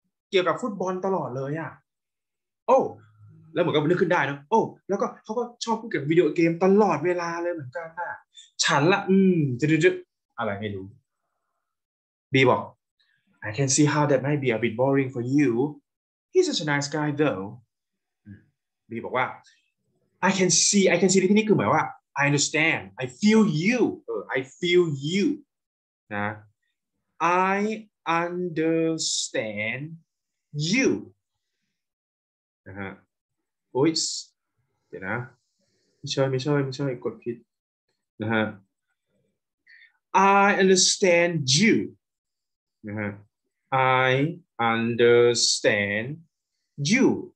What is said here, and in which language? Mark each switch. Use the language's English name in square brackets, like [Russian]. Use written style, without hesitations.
[Thai] เกี่ยวกับฟุตบอลตลอดเลยอ่ะโอ้แล้วเหมือนกับนึกขึ้นได้นะโอ้แล้วก็เขาก็ชอบพูดเกี่ยวกับวิดีโอเกมตลอดเวลาเลยเหมือนกันน่ะฉันละจึ๊ดๆอะไรไม่รู้บีบอก [English] I can see how that might be a bit boring for you He's such a nice guy though [Thai] บีบอกว่า [English] I can see [Thai] ที่นี่คือหมายว่า [English] I understand. I feel you. I feel you. [Thai] นะ [English] I understand you. [Thai] นะฮะ โอ้ย เดี๋ยวนะ ไม่ใช่กดผิดนะฮะ [English] I understand you. [Thai] นะฮะ [English] I understand you.